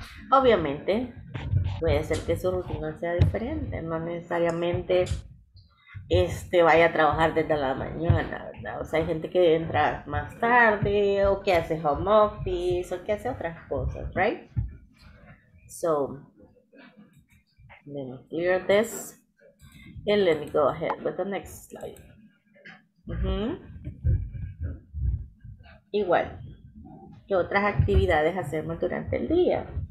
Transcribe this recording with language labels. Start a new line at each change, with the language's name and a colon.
Spanish: Obviamente, puede ser que su rutina sea diferente. No necesariamente vaya a trabajar desde la mañana, ¿verdad? O sea, hay gente que entra más tarde, o que hace home office, o que hace otras cosas,
English: right? So, let me clear this, and let me go ahead with the next slide.
Spanish: Igual, ¿qué otras actividades hacemos durante el día?